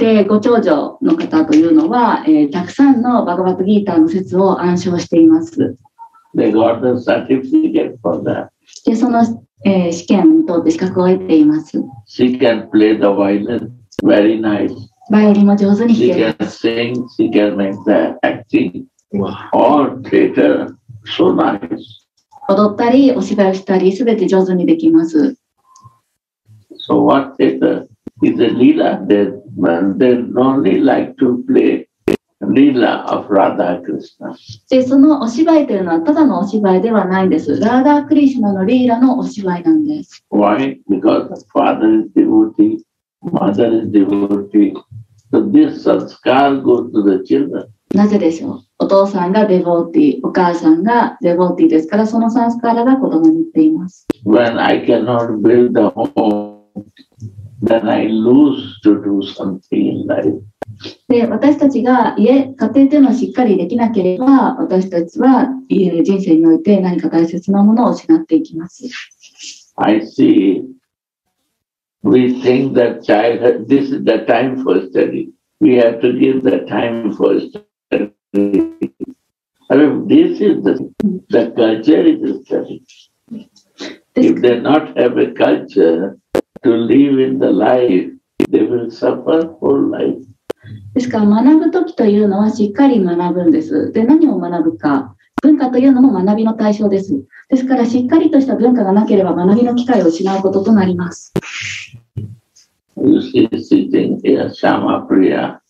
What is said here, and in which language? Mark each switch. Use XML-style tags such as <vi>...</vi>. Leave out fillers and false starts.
<ja>で、ご長女の方というのは、たくさんのバガバットギーターの説を暗唱しています。</ja> <en>They got the certificate for that.</en> <ja>で、その、試験を通って資格を得ています。</ja> <en>She can play the violin very nice.</en> <ja>バイオリンも上手に弾けます。</ja> <en>She can sing, she can make the acting. All theater, so nice.</en> <ja>踊ったり、お芝居したり、すべて上手にできます。</ja> <en>So what theater is a Leela? They normally like to play Leela of Radha Krishna.</en> <ja>で、そのお芝居というのはただのお芝居ではないんです。 Radha Krishna のリーラのお芝居なんです。</ja> <en>Why? Because father is devotee, mother is devotee. So this sanskar goes to the children.</en> <ja>なぜでしょう。お父さんがデボーティー、お母さんがデボーティーですから、そのサンスカラが子供に言っています。</ja> <en>When I cannot build the home,Then I lose to do something in life.</en> <ja>で、私たちが家、家庭というのをしっかりできなければ、私たちは家の人生において何か大切なものを失っていきます。</ja> <en>I see. We think that childhood, this is the time for study. We have to give the time for study. I mean, this is the culture is the study. If they not have a culture,To live in the life, they will suffer for life.</en> <ja>ですから学ぶときというのはしっかり学ぶんです。で、何を学ぶか。文化というのも学びの対象です。ですからしっかりとした文化がなければ学びの機会を失うこととなります。</ja> <en>You see, sitting here, Shama Priya.</en>